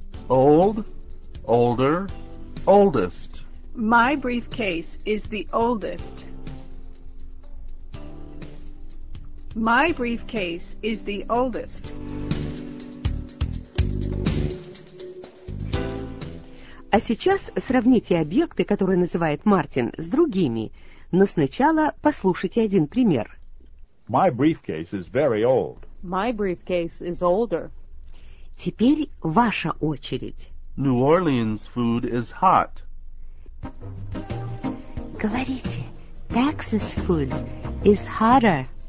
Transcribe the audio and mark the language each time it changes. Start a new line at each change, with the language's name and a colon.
English: Old, older, oldest. My briefcase is the oldest. My briefcase is the oldest.
Russian: А сейчас сравните объекты, которые называет Мартин, с другими. Но сначала послушайте один пример.
English: My briefcase is very old. My briefcase is older.
Russian: Теперь ваша очередь.
English: New Orleans food is hot.
Russian: Говорите,
English: Texas food is hotter.